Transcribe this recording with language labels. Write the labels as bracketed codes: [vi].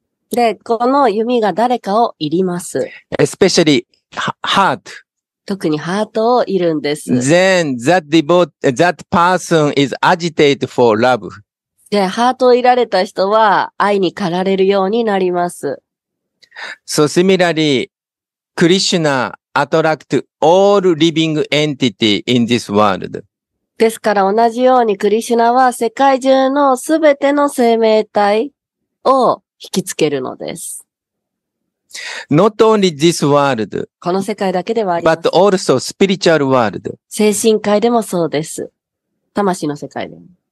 [ja] で、この弓が誰かを射ります。 [en] Especially, heart. [ja] 特にハートを射るんです。 [en] Then, that person is agitated for love. [ja] で、ハートを射られた人は愛に駆られるようになります。 [en] So similarly, Krishna attracts all living entity in this world. [ja] ですから同じようにクリシュナは世界中のすべての生命体を引きつけるのです。 [en] Not only this world. [ja] この世界だけではありません。 [en] But also spiritual world. [ja] 精神界でもそうです。魂の世界でも。